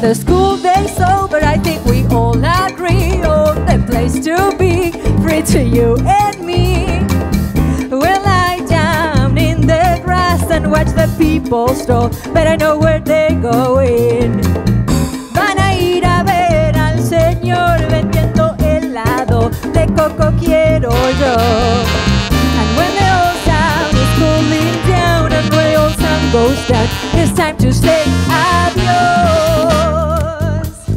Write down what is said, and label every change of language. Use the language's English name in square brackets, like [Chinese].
[English] The school day's over, I think we all agree. Oh, the place to be, free to you and me. We'll lie down in the grass and watch the people stroll, but I know where they're going. [Spanish] Van a ir a ver al señor vendiendo helado de coco quiero yo. [English] And when the old sound is cooling down and when the old sound goes down, it's time to say adiós.